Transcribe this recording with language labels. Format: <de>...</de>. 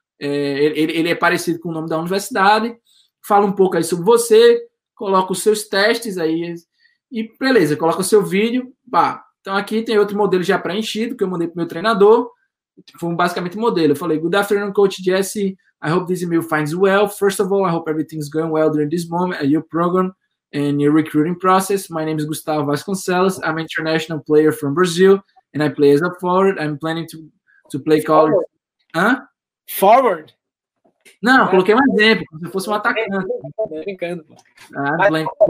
<pt>Ele é parecido com o nome da universidade. Fala um pouco aí sobre você. Coloca os seus testes aí. E beleza, coloca o seu vídeo. Bah. Então aqui tem outro modelo já preenchido, que eu mandei para o meu treinador. Foi basicamente modelo. Eu falei,</pt> <en>good afternoon,</en> <pt>coach Jesse.</pt> <en>I hope this email finds you well. First of all, I hope everything's going well during this moment at your program and your recruiting process. My name is Gustavo Vasconcelos. I'm an international player from Brazil, and I play as a forward. I'm planning to play college. Huh? Forward?</en> <pt>Não, eu coloquei um exemplo, como se fosse um atacante.</pt>